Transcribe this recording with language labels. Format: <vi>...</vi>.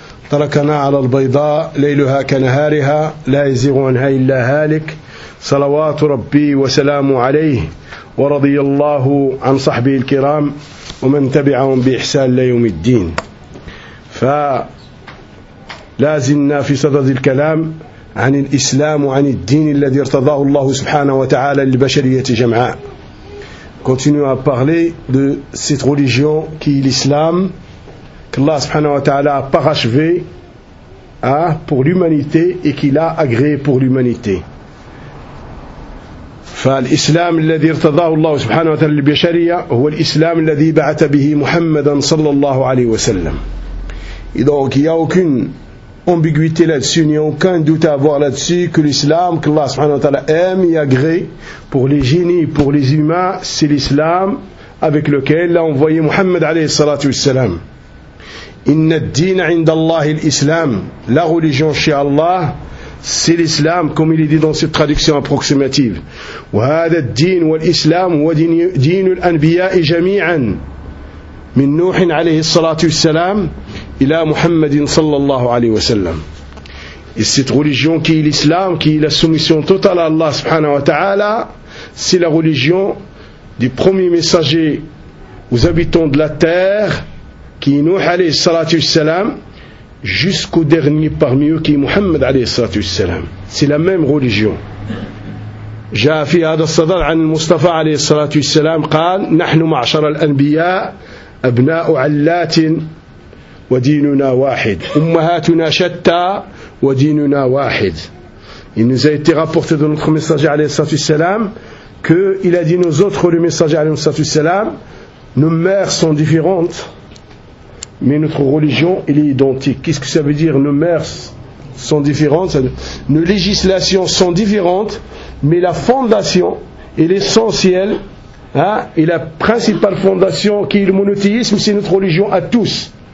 <ar>تركنا على البيضاء ليلها كنهارها لا يزيغ عنها إلا هالك، صلوات ربي وسلامه عليه، ورضي الله عن صحبه الكرام ومن تبعهم بإحسان ليوم الدين. فلازلنا في صدد الكلام عن الإسلام وعن الدين الذي ارتضاه الله سبحانه وتعالى للبشرية جمعاء.</ar> <fr>Continuons à parler de cette religion qui est l'islam, que Allah subhanahu wa ta'ala a parachevé pour l'humanité et qu'il a agréé pour l'humanité.</fr> <ar>فالإسلام الذي ارتضاه الله سبحانه وتعالى للبشرية هو الإسلام الذي بعث به محمدا صلى الله عليه وسلم.</ar> <fr>Et donc il n'y a aucune ambiguïté là-dessus, il n'y a aucun doute à avoir là-dessus que l'islam qu'Allah subhanahu wa ta'ala aime et agrée pour les génies, pour les humains, c'est l'islam avec lequel l'a envoyé Muhammad alayhi salatu wassalam.</fr> <ar>Inna ad-din 'inda Allah al-islam,</ar> <fr>la religion chez Allah c'est l'islam, comme il est dit dans cette traduction approximative.</fr> <ar>Wa hadha ad-din wal-islam huwa din al-anbiya'i jami'an min Nuh 'alayhi salatu wassalam إلى محمد صلى الله عليه وسلم.</ar> <fr>Et cette religion qui est l'islam, qui est la soumission totale à Allah subhanahu wa ta'ala, c'est la religion du premier messager aux habitants de la terre, qui est Nuh alayhi salatu wassalam, jusqu'au dernier parmi eux qui est Muhammad alayhi salatu wassalam. C'est la même religion.</fr> <ar>جاء في هذا الصدر عن المصطفى عليه الصلاة والسلام قال نحن معشر الأنبياء أبناء علات وديننا واحد أمهاتنا شتى وديننا واحد.</ar> <fr>Il nous a été rapporté de notre messager عليه الصلاة والسلام qu'il a dit nos autres, le messager عليه الصلاة والسلام, nos mères sont différentes mais notre religion elle est identique. Qu'est-ce que ça veut dire nos mères sont différentes? Nos législations sont différentes mais la fondation et l'essentiel et la principale fondation qui est le monothéisme, c'est notre religion à tous.</fr>